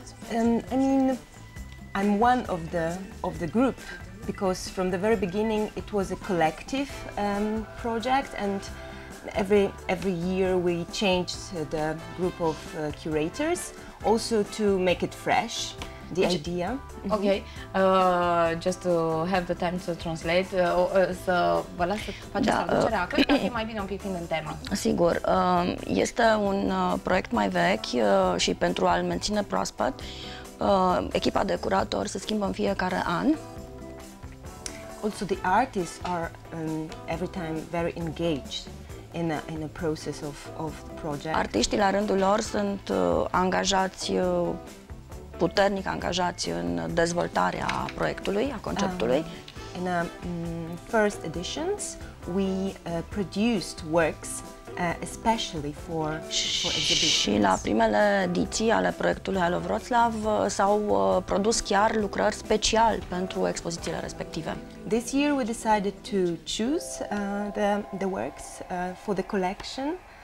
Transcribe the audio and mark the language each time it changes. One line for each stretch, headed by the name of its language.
English: I mean, I'm one of the group, because from the very beginning it was a collective project, and every year we changed the group of curators, also to make it fresh, the idea. Okay, just to have the time to translate,
Romanian: să vă las să faceți traducerea, că ar fi mai bine un pic fiind în tema. Sigur, este un proiect mai vechi și pentru a-l menține proaspăt, echipa de curatori se schimbă în fiecare an.
English: Also, the artists are every time very engaged in a process of the project.
Romanian: Artiștii la rândul lor sunt angajați, puternic angajați în dezvoltarea proiectului, a conceptului.
English: In the first editions, we produced works especially for exhibitions.
Romanian: Și la primele ediții ale proiectului Hello Wrocław s-au produs chiar lucrări special pentru expozițiile respective.
English: This year we decided to choose the works for the collection.